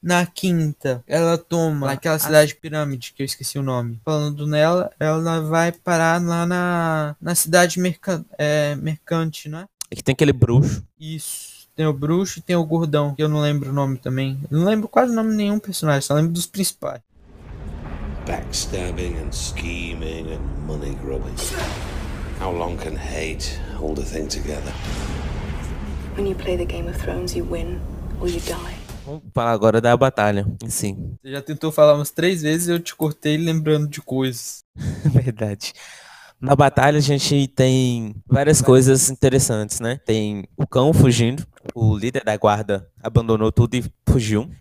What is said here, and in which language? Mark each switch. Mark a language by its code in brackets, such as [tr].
[pt] Na quinta, ela toma aquela cidade pirâmide, que eu esqueci o nome. Falando nela, ela vai parar lá na cidade mercante, não é? É que tem aquele bruxo. Isso. Tem o bruxo e tem o gordão, que eu não lembro o nome também. Eu não lembro quase o nome de nenhum personagem, só lembro dos principais. [en] Backstabbing and scheming and money grubbing. How long can hate hold a thing together? When you play the Game of Thrones, you win or you die. [pt] Vamos falar agora da batalha, sim. Você já tentou falar umas três vezes e eu te cortei lembrando de coisas. Verdade. Na batalha a gente tem várias coisas interessantes, né? Tem o cão fugindo, o líder da guarda abandonou tudo e fugiu.